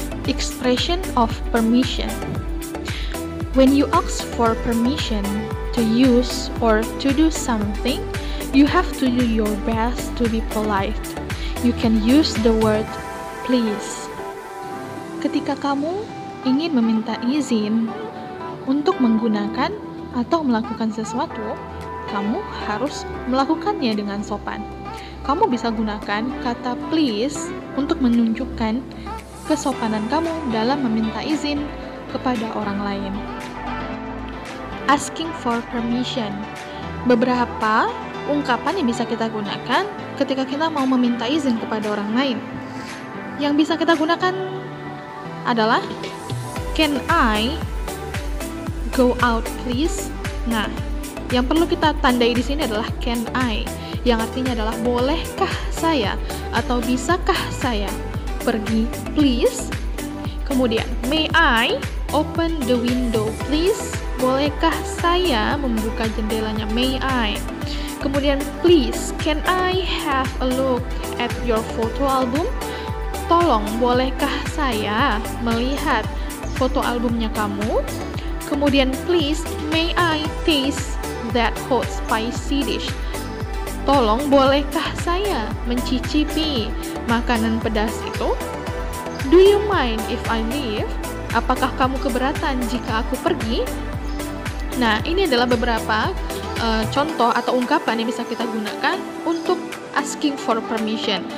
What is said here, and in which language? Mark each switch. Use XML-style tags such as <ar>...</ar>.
<en>Expression of permission. When you ask for permission to use or to do something, you have to do your best to be polite. You can use the word please.</en> <id>Ketika kamu ingin meminta izin untuk menggunakan atau melakukan sesuatu, kamu harus melakukannya dengan sopan. Kamu bisa gunakan kata please untuk menunjukkan kesopanan kamu dalam meminta izin kepada orang lain.</id> <en>Asking for permission.</en> <id>Beberapa ungkapan yang bisa kita gunakan ketika kita mau meminta izin kepada orang lain. Yang bisa kita gunakan adalah</id> <en>can I go out please?</en> <id>Nah, yang perlu kita tandai di sini adalah</id> <en>can I,</en> <id>yang artinya adalah bolehkah saya atau bisakah saya pergi please?</id> <en>Kemudian may I open the window please?</en> <id>Bolehkah saya membuka jendelanya?</id> <en>May I. Kemudian please can I have a look at your photo album?</en> <id>Tolong bolehkah saya melihat foto albumnya kamu?</id> <en>Kemudian please may I taste that hot spicy dish?</en> <id>Tolong bolehkah saya mencicipi makanan pedas itu?</id> <en>Do you mind if I leave?</en> <id>Apakah kamu keberatan jika aku pergi? Nah, ini adalah beberapa contoh atau ungkapan yang bisa kita gunakan untuk</id> <en>asking for permission.</en>